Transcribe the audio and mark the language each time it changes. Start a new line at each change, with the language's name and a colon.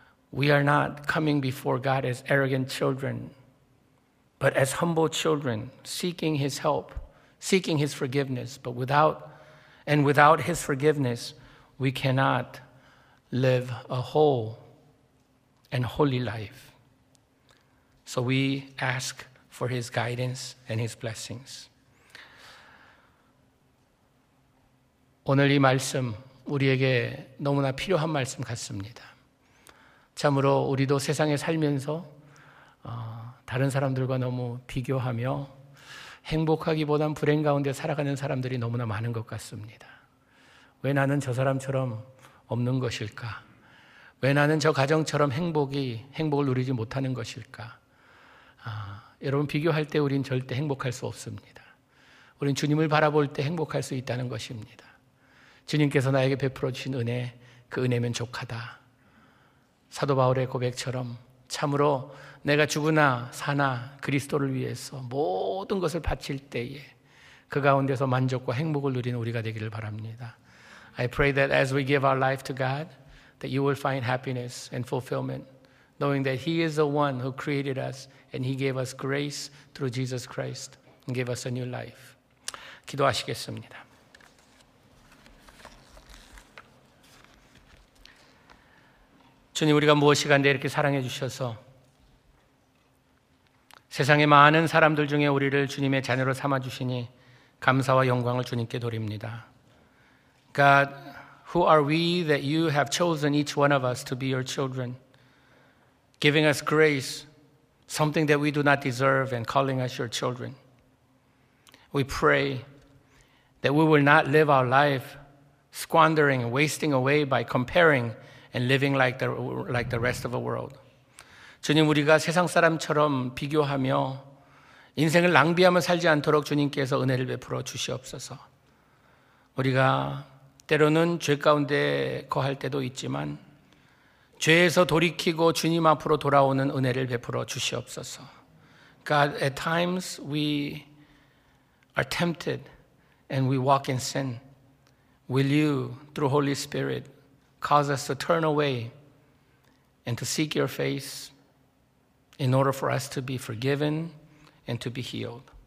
English: We are not coming before God as arrogant children, but as humble children, seeking His help, seeking His forgiveness. But without His forgiveness, we cannot live a whole and holy life. So we ask for His guidance and His blessings.
Korean: 오늘 이 말씀 우리에게 너무나 필요한 말씀 같습니다. 참으로 우리도 세상에 살면서 다른 사람들과 너무 비교하며 행복하기보단 불행 가운데 살아가는 사람들이 너무나 많은 것 같습니다. 왜 나는 저 사람처럼 없는 것일까? 왜 나는 저 가정처럼 행복을 누리지 못하는 것일까? 여러분 비교할 때 우린 절대 행복할 수 없습니다. 우린 주님을 바라볼 때 행복할 수 있다는 것입니다. 주님께서 나에게 베풀어 주신 은혜, 그 은혜면 족하다. 사도 바울의 고백처럼 참으로 내가 죽으나 사나 그리스도를 위해서 모든 것을 바칠 때에 그 가운데서 만족과 행복을 누리는 우리가 되기를 바랍니다.
English: I pray that as we give our life to God, that you will find happiness and fulfillment, knowing that He is the one who created us and He gave us grace through Jesus Christ and gave us a new life.
Korean: 기도하시겠습니다. 주님 우리가 무엇이 간데 이렇게 사랑해 주셔서 세상에 많은 사람들 중에 우리를 주님의 자녀로 삼아주시니 감사와 영광을 주님께 돌립니다. God,
English: Who are we that you have chosen each one of us to be your children, giving us grace, something that we do not deserve, and calling us your children? We pray that we will not live our life squandering, wasting away by comparing and living like the rest of the world.
Korean: 주님, 우리가 세상 사람처럼 비교하며 인생을 낭비하며 살지 않도록 주님께서 은혜를 베풀어 주시옵소서. 우리가 때로는 죄 가운데 거할 때도 있지만 죄에서 돌이키고 주님 앞으로 돌아오는 은혜를 베풀어 주시옵소서.
English: God, at times we are tempted and we walk in sin. Will you, through Holy Spirit, cause us to turn away and to seek your face in order for us to be forgiven and to be healed?